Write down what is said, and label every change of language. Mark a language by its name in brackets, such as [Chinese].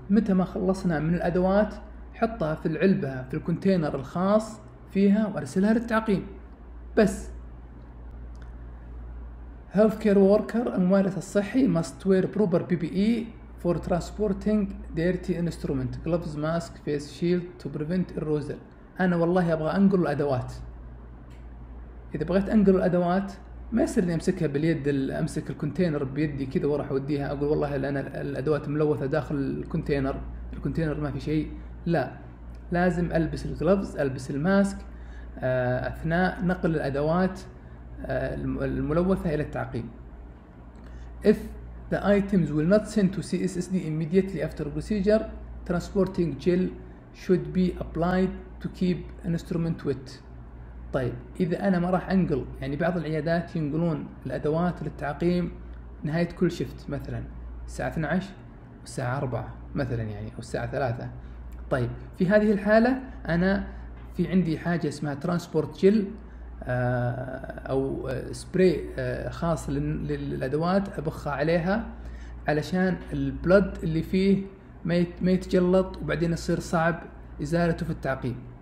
[Arabic] متى ما خلصنا من الأدوات حطها في العلبة في الكونتينر الخاص فيها وارسلها للتعقيم. بس [English] healthcare worker [Arabic] الممارس الصحي [English] must wear proper PPE for transporting dirty instrument, gloves, mask, face shield to prevent erosion. [Arabic] أنا والله أبغى أنقل الأدوات. إذا بغيت أنقل الأدوات ما يصير إني أمسكها باليد، أمسك الكونتينر بيدي كذا وراح أوديها أقول والله أنا الأدوات ملوثة داخل الكونتينر، الكونتينر ما في شيء. لا، لازم ألبس الجلوفز، ألبس الماسك أثناء نقل الأدوات الملوثة إلى التعقيم. [English] If the items will not send to CSSD immediately after procedure, transporting gel should be applied to keep instrument wet. [Arabic] طيب إذا أنا ما راح أنقل، يعني بعض العيادات ينقلون الأدوات للتعقيم نهاية كل شفت مثلا الساعة 12 والساعة 4 مثلا يعني أو الساعة 3. طيب في هذه الحالة أنا في عندي حاجة اسمها ترانسبورت جل أو سبراي خاص للأدوات أبخها عليها علشان البلد اللي فيه ما يتجلط وبعدين يصير صعب إزالته في التعقيم.